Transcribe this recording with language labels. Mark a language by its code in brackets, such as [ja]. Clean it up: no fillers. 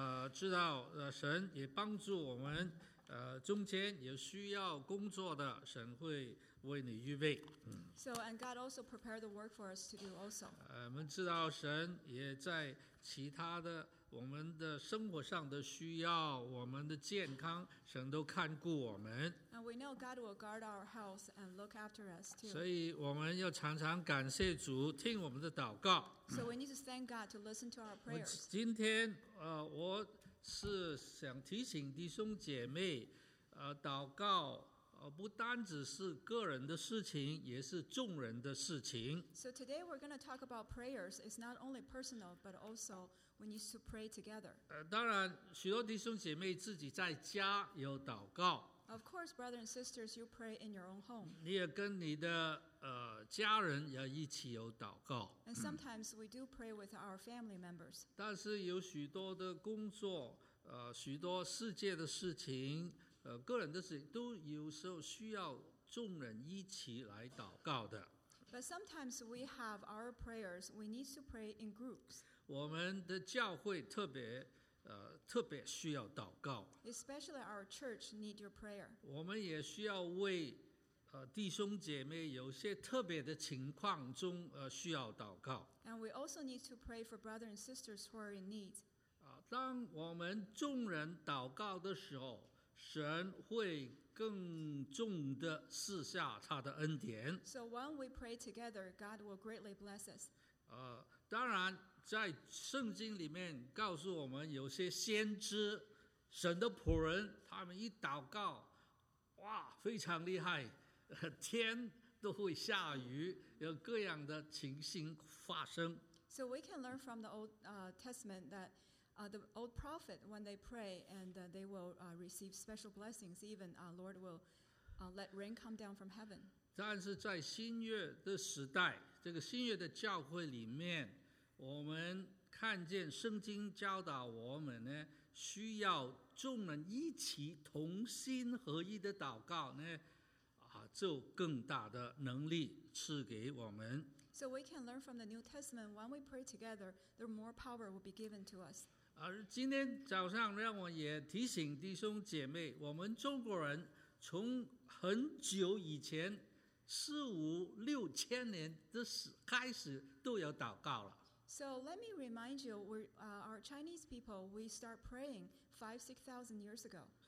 [zh] 知道神也帮助我们，中间有需要工作的，神会为你预备。 [en] So and God also prepared the work for us to do also. [zh] 我们知道神也在其他的我们的生活上的需要，我们的健康，神都看顾我们。 [en] And we know God will guard our health and look after us too. [zh] 所以我们要常常感谢主，听我们的祷告。 [en] So we need to thank God to listen to our prayers. [zh] 今天，我是想提醒弟兄姐妹，祷告不单只是个人的事情，也是众人的事情。 [en] So today we're going to talk about prayers. It's not only personal, but also we need to pray together. [zh] 当然，许多弟兄姐妹自己在家有祷告。 [en] Of course, brothers and sisters, you pray in your own home. [zh] 你也跟你的家人要一起有祷告。 [en] And sometimes we do pray with our family members. [zh] 但是有许多的工作，许多世界的事情。个人的事情都有时候需要众人一起来祷告的。 [en] But sometimes we have our prayers. We need to pray in groups. [zh] 我们的教会特别需要祷告。 [en] Especially our church need your prayer. [zh] 我们也需要为弟兄姐妹有些特别的情况中需要祷告。 [en] And we also need to pray for brothers and sisters who are in need. [zh] 当我们众人祷告的时候。神会更重的赐下他的恩典。 [en] So when we pray together, God will greatly bless us. [zh] 当然，在圣经里面告诉我们，有些先知、神的仆人，他们一祷告，哇，非常厉害，天都会下雨，有各样的情形发生。 [en] So we can learn from the Old Testament that. The old prophet, when they pray, and they will receive special blessings. Even Lord will let rain come down from heaven. [zh] 但是在新约的时代，这个新约的教会里面，我们看见圣经教导我们呢，需要众人一起同心合一的祷告呢，就更大的能力赐给我们。 [en] So we can learn from the New Testament when we pray together, the more power will be given to us. [zh] 而今天早上让我也提醒弟兄姐妹，我们中国人从很久以前四五六千年的开始都有祷告了。 [en] So let me remind you, our Chinese people, we start praying 5,000-6,000 years ago.